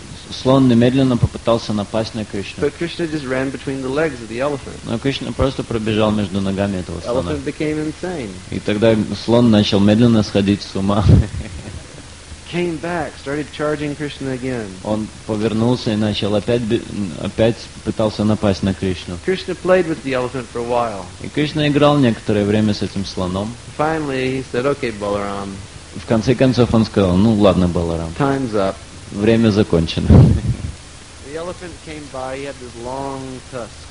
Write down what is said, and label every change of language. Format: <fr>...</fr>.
<ru>Слон немедленно попытался напасть на Кришну.</ru> <en>But Krishna just ran between the legs of the elephant.</en> <ru>Но Кришна просто пробежал между ногами этого слона.</ru> <en>Elephant became insane.</en> <ru>И тогда слон начал медленно сходить с ума.</ru> <en>Came back, started charging Krishna again.</en> <ru>Он повернулся и начал опять пытался напасть на Кришну.</ru> <en>Krishna played with the elephant for a while.</en> <ru>И Кришна играл некоторое время с этим слоном.</ru> <en>Finally, he said, "Okay, Balaram."</en> <ru>В конце концов он сказал: "Ну ладно, Баларам."</ru> <en>Time's up.</en> <ru>Время закончено.</ru> <en>The elephant came by, he had this long tusk.</en>